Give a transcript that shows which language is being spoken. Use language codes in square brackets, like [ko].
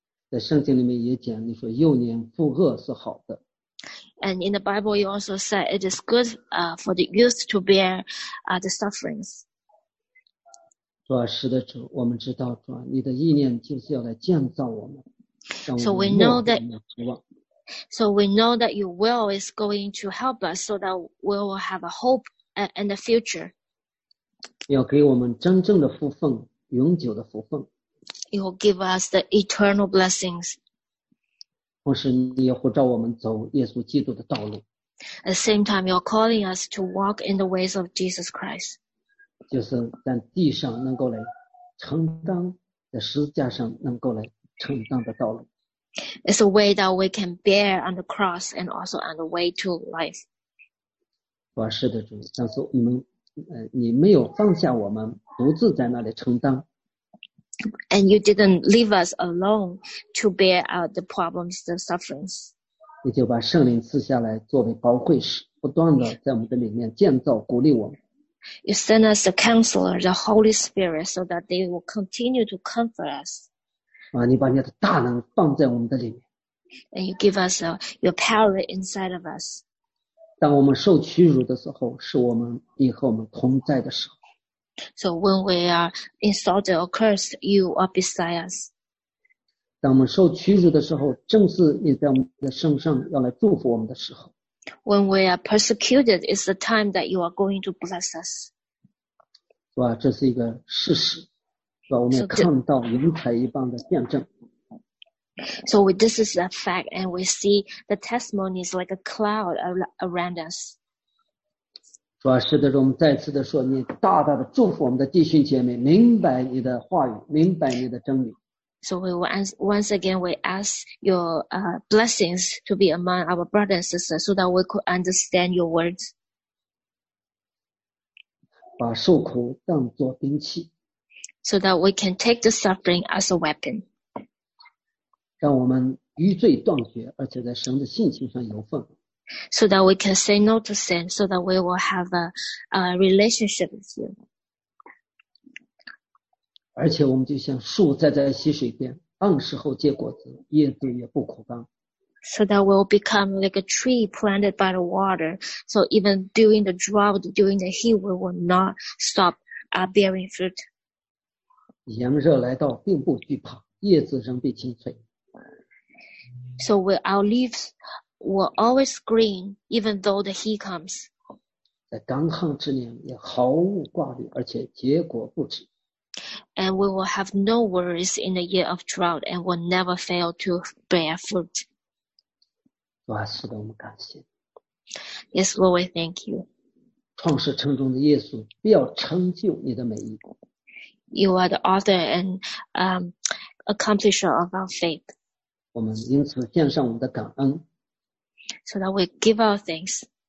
[zh] 在圣经里面也讲，你说幼年负轭是好的。 [en] And in the Bible, you also said it is good for the youth to bear the sufferings. [zh] 主啊，是的，主，我们知道，主啊，你的意念就是要来建造我们，让我们有盼望。 [en] So we know that your will is going to help us, so that we will have a hope and a future. [zh] 要给我们真正的福分，永久的福分。 [en] You will give us the eternal blessings. [zh] 同时，你也呼召我们走耶稣基督的道路。 [en] At the same time, you are calling us to walk in the ways of Jesus Christ. [zh] 就是在地上能够来承担，在十字架上能够来承担的道路。 [en] It's a way that we can bear on the cross and also on the way to life. [zh] 啊，是的，主，上次你们，你没有放下我们，独自在那里承担。 [en] And you didn't leave us alone to bear out the problems, the sufferings. [zh] 你就把圣灵赐下来，作为保惠师，不断的在我们的里面建造、鼓励我们。 [en] You sent us the Counselor, the Holy Spirit, so that they will continue to comfort us. [zh] 啊，你把你的大能放在我们的里面。 [en] And you give us your power inside of us. [zh] 当我们受屈辱的时候，是我们与我们同在的时候。 [en] So when we are insulted or cursed, you are beside us. [zh] 当我们受屈辱的时候，正是你在我们的身上要来祝福我们的时候。 [en] When we are persecuted, it's the time that you are going to bless us. [zh] 是吧？这是一个事实，是吧？我们看到云彩一般的见证。 [en] So this is a fact, and we see the testimonies like a cloud around us. [zh] 主啊，是的，我们再次的说，你大大的祝福我们的弟兄姐妹，明白你的话语，明白你的真理。 [en] So we once again we ask your blessings to be among our brothers and sisters, so that we could understand your words. [zh] 把受苦当作兵器。 [en] So that we can take the suffering as a weapon. [zh] 让我们与罪断绝，而且在神的性情上有份。 [en] So that we can say no to sin, so that we will have a relationship with you. [zh] 而且我们就像树栽在溪水边，按时后结果子，叶子也不枯干。 [en] So that we will become like a tree planted by the water. So even during the drought, during the heat, we will not stop bearing fruit. [zh] 炎热来到，并不惧怕，叶子仍被青翠。 [en] So our leaves. Will always green even though the heat comes. [zh] 在干旱之年也毫无挂虑，而且结果不止。 [en] And we will have no worries in the year of drought and will never fail to bear fruit. [zh] 主啊，是的，我们感谢。 [en] Yes, Lord, we thank you. [zh] 创世成中的耶稣，必要成就你的美意。 [en] You are the author and accomplisher of our faith. [zh] 我们因此献上我们的感恩。 [en] So that we give our thanks.